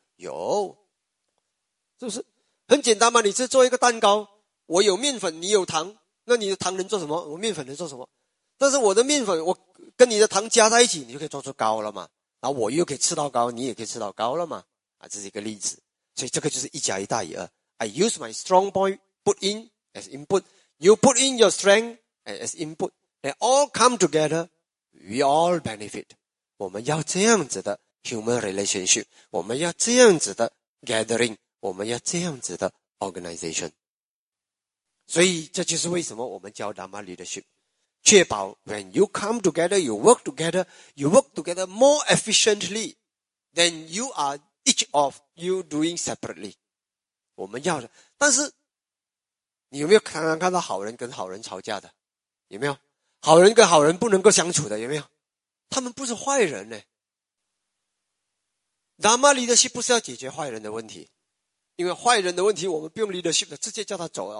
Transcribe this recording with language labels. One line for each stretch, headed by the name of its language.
Chinese: 有，是不是很简单吗？你是做一个蛋糕，我有面粉，你有糖，那你的糖能做什么？我面粉能做什么？但是我的面粉我跟你的糖加在一起，你就可以做出糕了嘛，然后我又可以吃到糕，你也可以吃到糕了嘛，啊，这是一个例子。所以这个就是一加一大于二。
English: I use my strong point put in as input, you put in your strength as input, they all come together, we all benefit.
Chinese: 我们要这样子的
English: human relationship,
Chinese: 我们要这样子的 gathering, 我们要这样子的 organization。所以这就是为什么我们教
English: Dharma leadership,确保 when you come together, you work together, you work together more efficiently than you are each of you doing separately.
Chinese: 我们要的，但是你有没有常常看到好人跟好人吵架的？有没有好人跟好人不能够相处的？有没有？他们不是坏人呢。 Dharma leadership 不是要解决坏人的问题，因为坏人的问题我们不用 leadership 的，直接叫他走了。